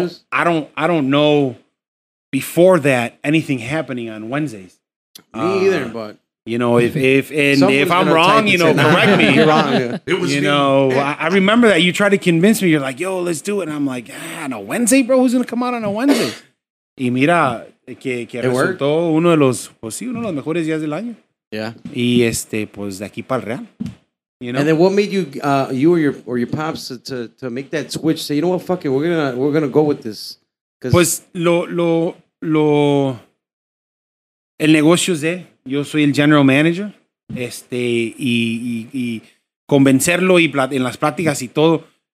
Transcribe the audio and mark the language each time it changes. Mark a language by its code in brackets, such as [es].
[en] I don't know before that anything happening on Wednesdays. Me either, but. You know, if I'm wrong, you know, correct me. You're wrong. It was, you know, I remember that you tried to convince me. You're like, yo, let's do it. And I'm like, on a Wednesday, bro? Who's going to come out on a Wednesday? [es] Y mira, que resultó uno de los mejores días del año. [en] Yeah. [es] Y pues de aquí para el Real. You know? [en] And then what made you, you or your pops to make that switch? Say, you know what, fuck it, we're gonna go with this. [es] Pues lo, el negocio es de... Yo soy el general manager, y convencerlo y en las pláticas y todo.